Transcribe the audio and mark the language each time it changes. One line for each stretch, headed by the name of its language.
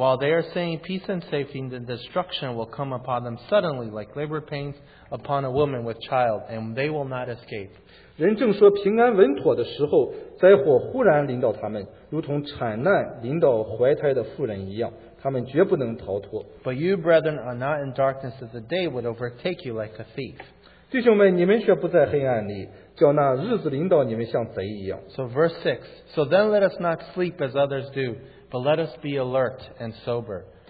English: While they are saying peace and safety, the destruction will come upon them suddenly, like labor pains upon a woman with child, and they will not escape.
Chinese: 人正说平安稳妥的时候，灾祸忽然临到他们，如同惨难临到怀胎的妇人一样，他们绝不能逃脱。
English: But you, brethren, are not in darkness, that the day would overtake you like a thief.
Chinese: 弟兄们，你们却不在黑暗里，叫那日子临到你们像贼一样。
English: So verse 6, so then let us not sleep as others do, but let us be alert and sober.